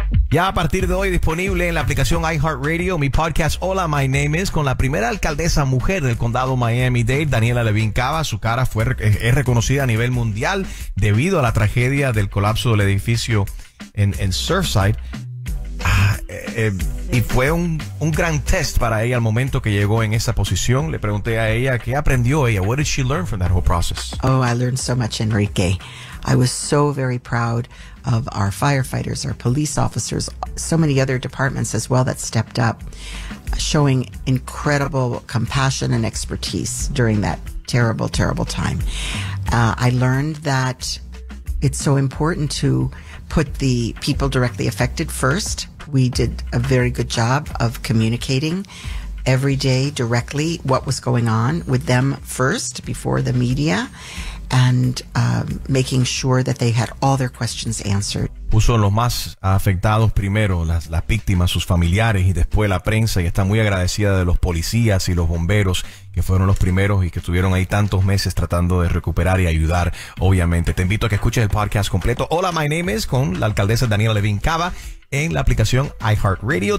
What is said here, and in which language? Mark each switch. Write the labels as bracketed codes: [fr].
[es] Ya a partir de hoy disponible en la aplicación iHeartRadio, mi podcast Hola, My Name Is, con la primera alcaldesa mujer del condado Miami-Dade, Daniela Levin Cava. Su cara es reconocida a nivel mundial debido a la tragedia del colapso del edificio en Surfside. Y fue un gran test para ella al momento que llegó en esa posición. Le pregunté a ella, ¿qué aprendió ella? [en] What did she learn from that whole process? Oh, I learned so much, Enrique. I was so very proud of our firefighters, our police officers, so many other departments as well that stepped up, showing incredible compassion and expertise during that terrible, terrible time. I learned that it's so important to put the people directly affected first. We did a very good job of communicating every day directly what was going on with them first before the media, and making sure that they had all their questions answered. [es] Puso los más afectados primero, las víctimas, sus familiares, y después la prensa, y está muy agradecida de los policías y los bomberos que fueron los primeros y que estuvieron ahí tantos meses tratando de recuperar y ayudar, obviamente. Te invito a que escuches el podcast completo. Hola, my name is, con la alcaldesa Daniela Levín Cava, en la aplicación iHeartRadio.